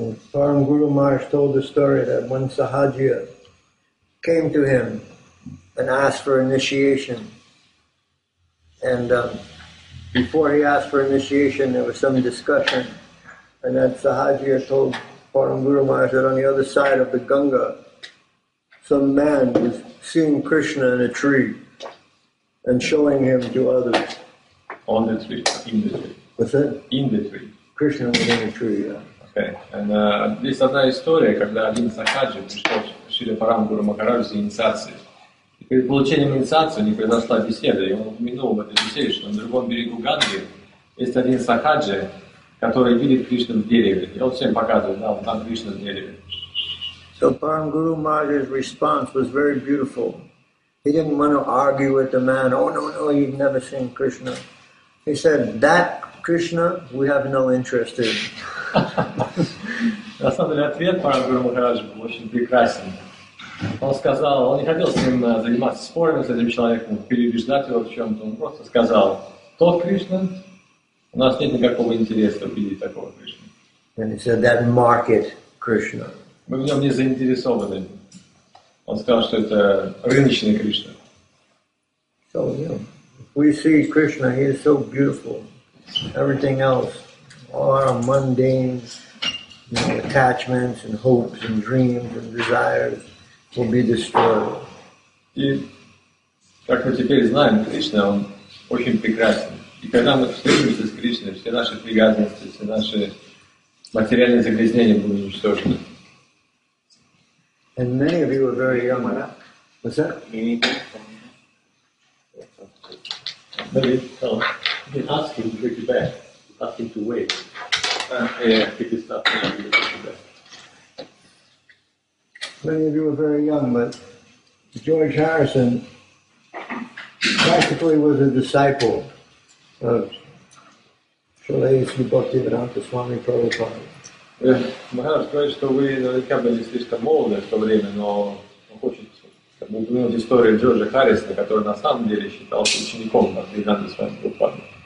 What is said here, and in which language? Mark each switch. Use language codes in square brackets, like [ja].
[en] Param Guru Maharaj told the story that when Sahajiya came to him and asked for initiation, and before he asked for initiation, there was some discussion. And that Sahajiya told Param Guru Maharaj that on the other side of the Ganga, some man was seeing Krishna in a tree and showing him to others. On the tree, in the tree. What's that? In the tree. Krishna was in a tree, yeah. Okay. And this is another story, [ru] когда один сахаджи пришел к Шри Парам Гуру Махараджу за инициацией. Перед получением инициации у них произошла беседа, и он упомянул в этой беседе, что на другом берегу Ганги есть один сахаджи, который видит Кришну в дереве. И он всем показывает, да, вот там Кришна в дереве. [en] So Param Guru Maharaj's response was very beautiful. He didn't want to argue with the man, oh no, no, you've never seen Krishna. He said, that Krishna, we have no interest in. [ru] На самом деле, ответ Парам Гуру Махараджа был очень прекрасен. Он сказал, он не хотел с ним заниматься спорами с этим человеком, переубеждать его в чем-то. Он просто сказал, тот Кришна, у нас нет никакого интереса увидеть такого Кришна. [en] And he said, that market Krishna. [ru] Мы в нем не заинтересованы. Он сказал, что это рыночный Кришна. [en] So, yeah. We see Krishna, he is so beautiful. Everything else. All our mundane, you know, attachments and hopes and dreams and desires will be destroyed. [ru] И как мы теперь знаем, Кришна он очень прекрасен. И когда мы встретимся с Кришной, все наши привязанности, все наши материальные загрязнения будут уничтожены. [en] And many of you are very young. What's that? Maybe you can ask him to bring you back. Nothing to wait. Many of you were very young, but George Harrison practically was a disciple of Shalai Sri Bhaktivedanta Swami Prabhupada. [ru] Maharaj говорит, что вы наверняка были слишком молоды в то время, но он хочет упомянуть историю Джорджа Харрисона, который на самом деле считался учеником Бхактивиданты Свами Прабхупады.